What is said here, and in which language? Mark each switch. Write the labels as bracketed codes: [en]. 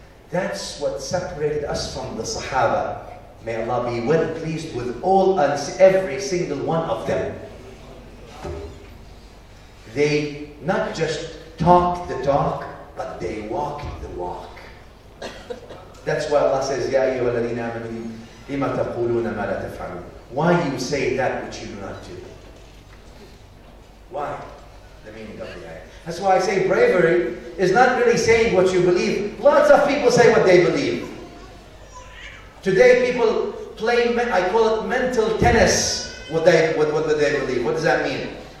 [en] That's what separated us from the Sahaba. May Allah be well pleased with all us, every single one of them. They not just talked the talk, but they walked the walk. That's why Allah says, [ar] يَا أَيُّهَا الَّذِينَ آمَنُوا لِمَ تَقُولُونَ مَا لَا تَفْعَلُونَ. [en] Why you say that which you do not do? Why? The meaning of the ayah. That's why I say bravery is not really saying what you believe. Lots of people say what they believe. Today people play, I call it mental tennis, what they believe. What does that mean?